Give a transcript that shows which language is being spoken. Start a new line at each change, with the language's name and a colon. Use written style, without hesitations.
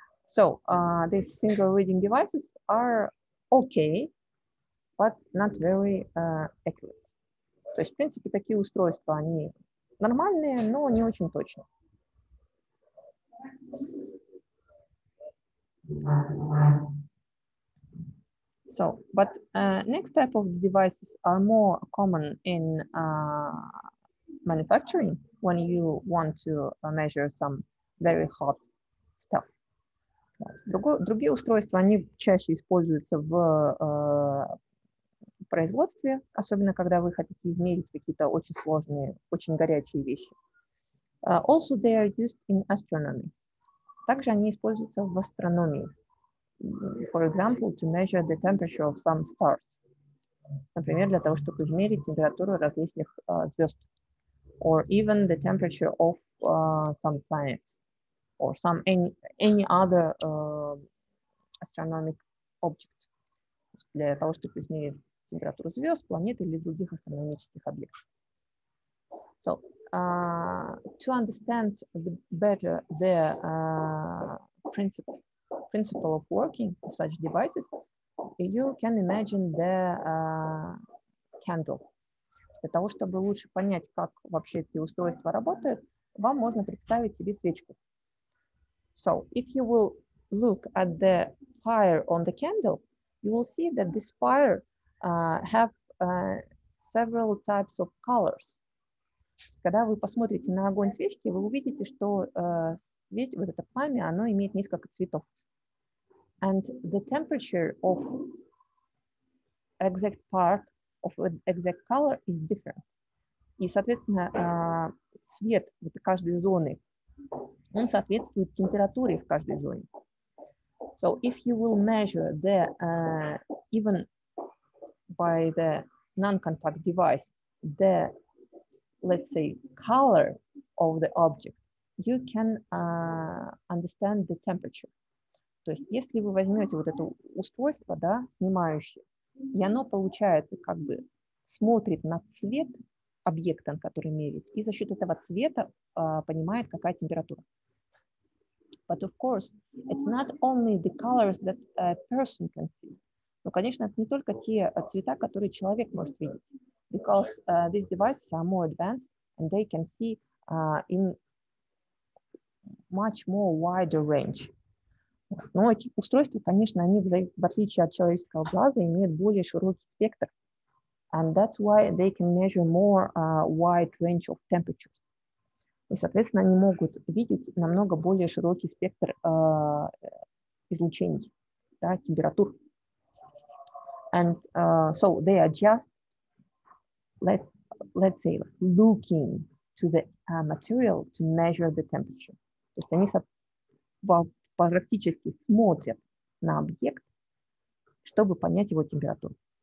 English: So, these single reading devices are okay, but not very accurate.
Russian: То есть, в принципе, такие устройства, они нормальные, но не очень точные.
English: So, but next type of devices are more common in manufacturing when you want to measure some very hot stuff.
Russian: Другие устройства, они чаще используются в производстве, особенно когда вы хотите измерить какие-то очень сложные, очень горячие вещи.
English: Also they are used in astronomy.
Russian: Также они используются в астрономии.
English: For example, to measure the temperature of some stars.
Russian: Например, для того, чтобы измерить температуру различных звезд.
English: Or even the temperature of some planets. Or some any other astronomic object.
Russian: Для того, чтобы измерить температуру звезд, планет или других астрономических объектов.
English: So, to understand better the principle of working of such devices, you can imagine the candle.
Russian: Для того, чтобы лучше понять, как вообще эти устройства работают, вам можно представить себе свечку.
English: So, if you will look at the fire on the candle, you will see that this fire have several types of colors.
Russian: Когда вы посмотрите на огонь свечки, вы увидите, что свет, вот это пламя, оно имеет несколько цветов.
English: And the temperature of exact part of exact color is different.
Russian: И, соответственно, цвет вот каждой зоны, он соответствует температуре в каждой зоне.
English: So if you will measure the even by the non-contact device the, let's say, color of the object, you can understand the temperature.
Russian: То есть если вы возьмете вот это устройство, да, снимающее, и оно получается как бы смотрит на цвет объекта, который меряет, и за счет этого цвета понимает, какая температура.
English: But of course, it's not only the colors that a person can see.
Russian: Но, конечно, это не только те цвета, которые человек может видеть.
English: Because these devices are more advanced and they can see in much more wider range.
Russian: Но эти устройства, конечно, они в отличие от человеческого глаза имеют более широкий спектр.
English: And that's why they can measure more wide range of temperatures.
Russian: И, соответственно, они могут видеть намного более широкий спектр излучений, да, температур.
English: And so they are just, let's say, looking to the material to measure the temperature.
Russian: То есть они практически смотрят на объект, чтобы понять его температуру.